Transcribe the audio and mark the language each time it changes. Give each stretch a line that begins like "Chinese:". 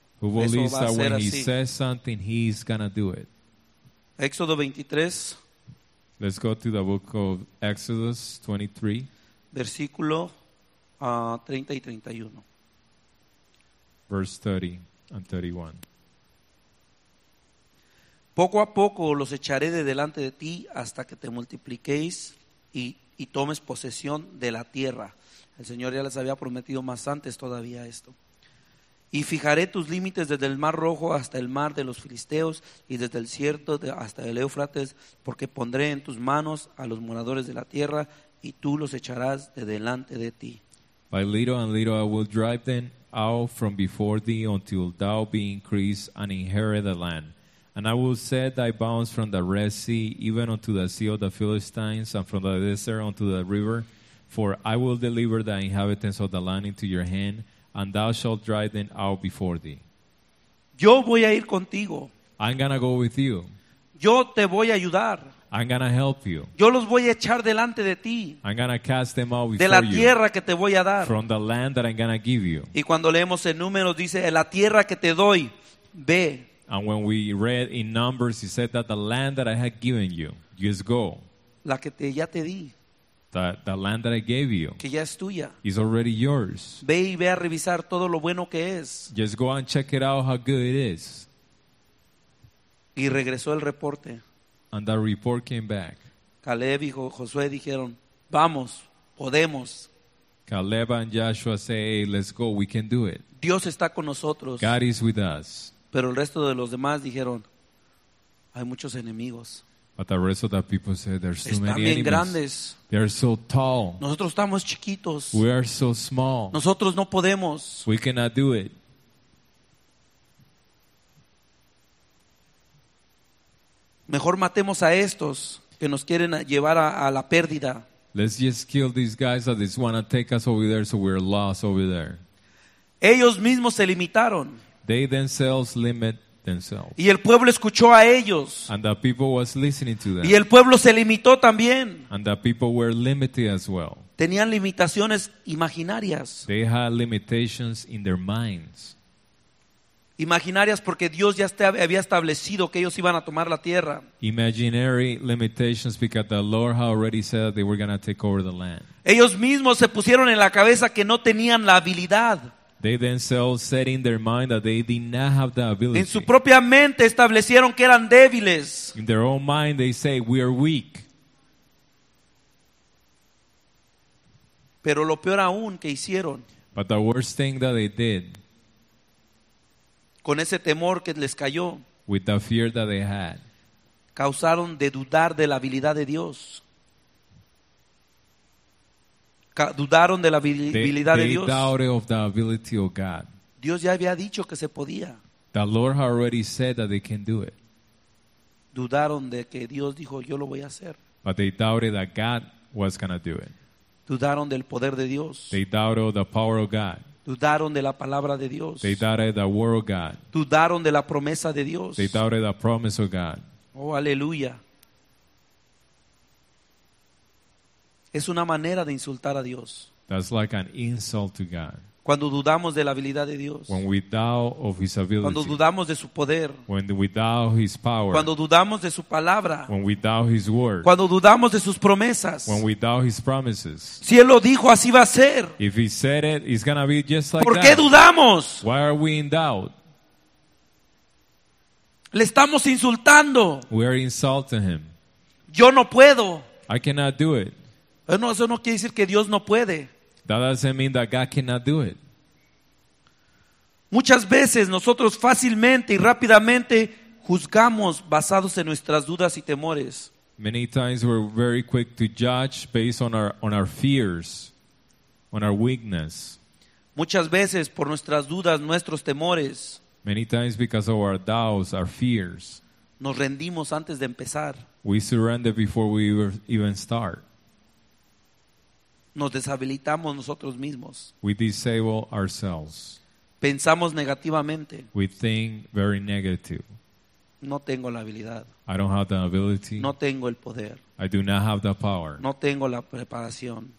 English: who believes
Spanish: eso va
English: that
Spanish: a ser
English: when
Spanish: así?
English: He says something, He's going to do it?
Spanish: Éxodo 23.
English: Let's go to the book of Exodus 23.
Spanish: Versículo 30 y 31.
English: Verse 30 and 31.
Spanish: Poco a poco los echaré de delante de ti hasta que te multipliquéis y tomes posesión de la tierra. El Señor ya les había prometido más antes todavía esto. Y fijaré tus límites desde el Mar Rojo hasta el Mar de los Filisteos y desde el desierto hasta el Éufrates, porque pondré en tus manos a los moradores de la tierra y tú los echarás de delante de ti.
English: By little and little I will drive them out from before thee until thou be increased and inherit the land. And I will set thy bounds from the Red Sea even unto the sea of the Philistines and from the desert unto the river. For I will deliver the inhabitants of the land into your hand and thou shalt drive them out before thee.
Spanish: Yo voy a ir contigo.
English: I'm going to go with you.
Spanish: Yo te voy a ayudar.
English: I'm gonna help you.
Spanish: Yo los voy a echar delante de ti.
English: I'm gonna cast them out before
Spanish: de la tierra que te voy a dar.
English: From the land that I'm gonna give you.
Spanish: Y cuando leemos en Números dice, la tierra que te doy, ve.
English: And when we read in Numbers, he said that the land that I had given you, just go.
Spanish: La que te, ya te di.
English: The land that I gave you,
Spanish: que ya es tuya,
English: is already yours.
Spanish: Ve y ve a revisar todo lo bueno que es.
English: Just go and check it out how good it is.
Spanish: Y regresó el reporte.
English: And that report came back.
Spanish: Caleb y Josué dijeron, vamos, podemos.
English: Caleb and Joshua say, hey, let's go, we can do it.
Spanish: Dios está con nosotros.
English: God is with us.
Spanish: Pero el resto de los demás dijeron, hay muchos enemigos.
English: But the rest of the people said, there's too
Spanish: están
English: many
Spanish: bien
English: enemies.
Spanish: Grandes.
English: They are so tall.
Spanish: Nosotros estamos chiquitos.
English: We are so small.
Spanish: Nosotros no podemos.
English: We cannot do it.
Spanish: Mejor matemos a estos que nos quieren llevar a la pérdida.
English: Let's just kill these guys that just want to take us over there so we're lost over there.
Spanish: Ellos mismos se limitaron.
English: They themselves limit themselves.
Spanish: Y el pueblo escuchó a ellos.
English: And the people was listening to them.
Spanish: Y el pueblo se limitó también.
English: And the people were limited as well.
Spanish: Tenían limitaciones imaginarias.
English: They had limitations in their minds.
Spanish: Imaginarias porque Dios ya había establecido que ellos iban a tomar la tierra.
English: Imaginary limitations because the Lord had already said that they were going to take over the land.
Spanish: Ellos mismos se pusieron en la cabeza que no tenían la habilidad.
English: They themselves set in their mind that they did not have the ability.
Spanish: En su propia mente establecieron que eran débiles.
English: In their own mind they say we are weak.
Spanish: Pero lo peor aún que hicieron.
English: But the worst thing that they did.
Spanish: Con ese temor que les cayó.
English: With the fear that they had.
Spanish: Causaron de dudar de la habilidad de Dios. Dudaron de la habilidad
English: they
Spanish: de Dios.
English: They doubted of the ability of God.
Spanish: Dios ya había dicho que se podía.
English: The Lord had already said that they can do it.
Spanish: Dudaron de que Dios dijo, yo lo voy a hacer.
English: But they doubted that God was going to do it.
Spanish: Dudaron del poder de Dios.
English: They doubted of the power of God.
Spanish: Dudaron de la palabra de Dios.
English: They doubted the word of God.
Spanish: Dudaron de la promesa de Dios.
English: They doubted the promise of God.
Spanish: Oh, aleluya. Es una manera de insultar a Dios.
English: That's like an insult to God.
Spanish: Cuando dudamos de la habilidad de Dios.
English: When we doubt of his ability.
Spanish: Cuando dudamos de su poder.
English: When we doubt his power.
Spanish: Cuando dudamos de su palabra.
English: When we doubt his word.
Spanish: Cuando dudamos de sus promesas.
English: When we doubt his promises.
Spanish: Si él lo dijo, así va a ser.
English: If he said it, it's gonna be just like
Spanish: ¿por
English: that?
Spanish: ¿Qué dudamos?
English: Why are we in doubt?
Spanish: Le estamos insultando.
English: We are insulting him.
Spanish: Yo no puedo.
English: I cannot do it.
Spanish: No, eso no quiere decir que Dios no puede.
English: That doesn't mean that God cannot do it.
Spanish: Muchas veces nosotros fácilmente y rápidamente juzgamos basados en nuestras dudas y temores.
English: Many times we're very quick to judge based on our fears, on our weakness.
Spanish: Muchas veces por nuestras dudas, nuestros temores.
English: Many times because of our doubts, our fears.
Spanish: Nos rendimos antes de empezar.
English: We surrender before we even start.
Spanish: Nos deshabilitamos nosotros mismos.
English: We disable ourselves.
Spanish: Pensamos negativamente.
English: We think very negative.
Spanish: No tengo la habilidad.
English: I don't have the ability.
Spanish: No tengo el poder.
English: I do not have the power.
Spanish: No tengo la preparación.